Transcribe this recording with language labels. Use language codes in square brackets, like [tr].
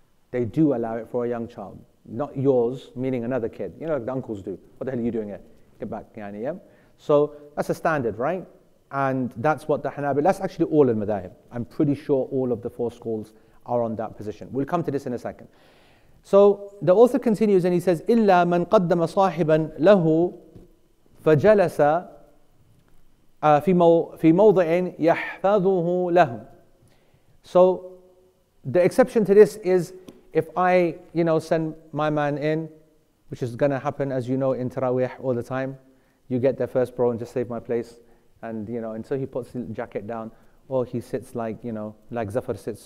[en] They do allow it for a young child. Not yours, meaning another kid. You know, like the uncles do. What the hell are you doing here? Get back, yani, yeah? So that's a standard, right? And that's what the Hanabi, that's actually all in Madaib. I'm pretty sure all of the four schools are on that position. We'll come to this in a second. So the author continues and he says, [ar] إِلَّا مَنْ قَدَّمَ صَاحِبًا لَهُ فَجَلَسَ فِي مَوْضَعٍ يَحْفَظُهُ لَهُ. [en] So the exception to this is if I, you know, send my man in, which is going to happen, as you know, in Taraweeh all the time, you get there first, bro, and just save my place. And, you know, until he puts the jacket down, or he sits like, you know, like Zafar sits.